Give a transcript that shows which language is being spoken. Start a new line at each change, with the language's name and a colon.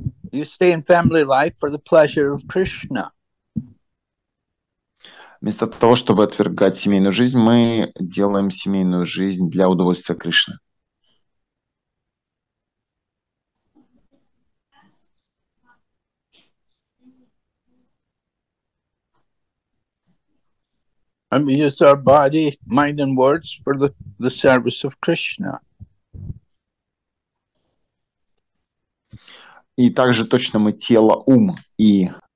English: You stay in family life for the pleasure of Krishna.
Russian: Вместо того, чтобы отвергать семейную жизнь, мы делаем семейную жизнь для удовольствия Кришны.
English: And we use our body, mind, and words for the service of Krishna.
Russian: И также точно мы тело, ум и...